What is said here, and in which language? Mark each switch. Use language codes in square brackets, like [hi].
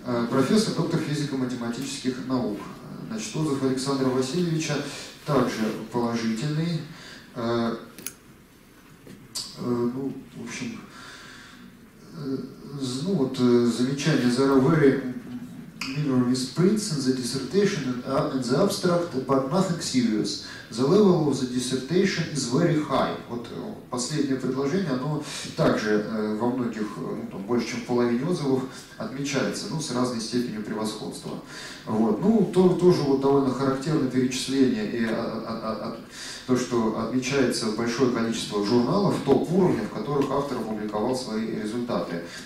[ru] Профессор, доктор физико-математических наук. Значит, отзыв Александра Васильевича также положительный. Ну, в общем, ну вот замечание за very [en] familiar with prints in the dissertation and the abstract, but nothing serious. The level of the dissertation is very high. [ru] Вот последнее предложение, оно также во многих, ну, там, больше чем в половине отзывов отмечается, ну, с разной степенью превосходства. Вот. Ну, тоже вот довольно характерное перечисление и то, что отмечается большое количество журналов топ-уровня, в которых автор опубликовал свои результаты.